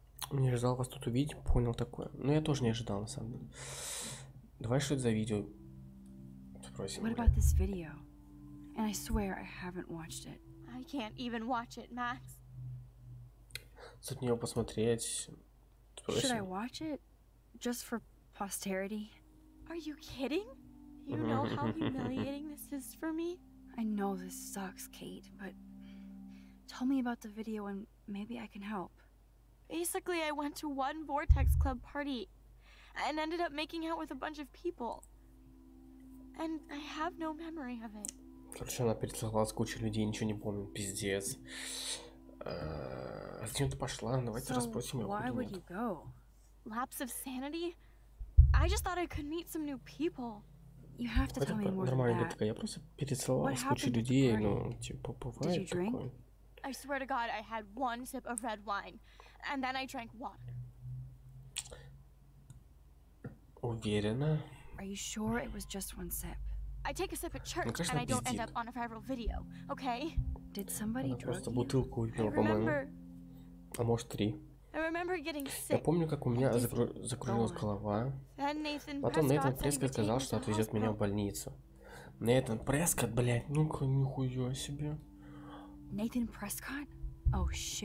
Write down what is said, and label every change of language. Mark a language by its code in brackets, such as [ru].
[ru] Не ожидал вас тут увидеть, понял такое. Но я тоже не ожидал, на самом деле. Давай что это за видео? Спросим. [en] What about this video? And I swear I haven't watched it. I can't even watch it, Max. [ru] Тут не его посмотреть. [en] Should I watch it? Just for posterity? Are you kidding? You know how humiliating this is for me? I know this sucks, Kate, but tell me about the video and maybe I can help. Basically, I went to one Vortex Club party and ended up making out with a bunch of people. And I have no memory of it. [ru] Короче, она перетрахалась с кучей людей, ничего не помню, пиздец. А зачем ты пошла? Давайте [en] so [ru] расспросим ее. [en] Why would you go? Lapse of sanity? I just thought I could meet some new people. You have to tell me more about that. [ru] Такая. Я просто перецеловалась с кучей людей, ну, типа, бывает такое. [en] Did you drink? I swear to God, I had one sip of red wine, and then I drank water. [ru] Уверена? [en] Are you sure it was just one sip? I take a sip at church, [ru] конечно, [en] and I don't end up on a viral video, okay? Did somebody [ru] она просто бутылку выпила, по-моему. А может, три. Я помню, как у меня закружилась голова. Потом Нейтан Прескотт сказал, что отвезет меня в больницу. Нейтан Прескотт, блядь, ну-ка, нихуя себе. Нейтан Прескотт? О, shit.